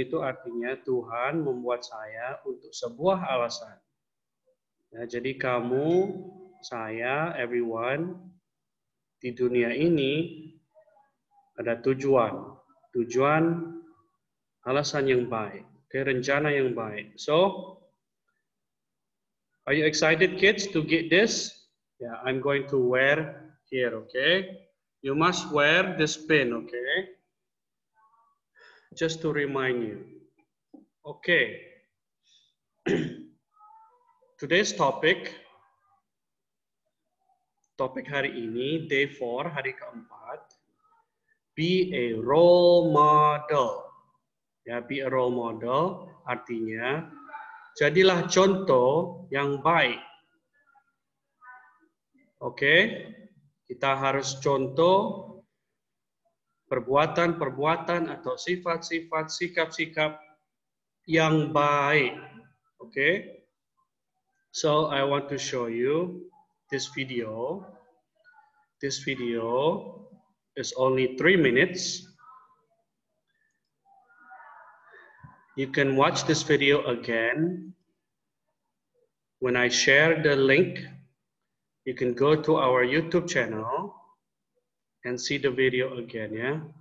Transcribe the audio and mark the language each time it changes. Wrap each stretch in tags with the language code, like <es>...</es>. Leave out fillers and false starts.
<id>Itu artinya Tuhan membuat saya untuk sebuah alasan. Ya, jadi kamu, saya, everyone di dunia ini ada tujuan. Tujuan alasan yang baik. Okay, rencana yang baik.</id> <en>So, are you excited, kids, to get this? Yeah, I'm going to wear here, okay? You must wear this pin, okay? Just to remind you. Okay. Today's topic.</en> <id>Topik hari ini,</id> <en>day 4,</en> <id>hari keempat.</id> <en>Be a role model.</en> <id>Ya,</id> <en>be a role model</en> <id>artinya jadilah contoh yang baik. Oke, kita harus contoh perbuatan-perbuatan atau sifat-sifat, sikap-sikap yang baik.</id> <en>Oke, so I want to show you this video. This video is only 3 minutes. You can watch this video again. When I share the link, you can go to our YouTube channel and see the video again, yeah?</en>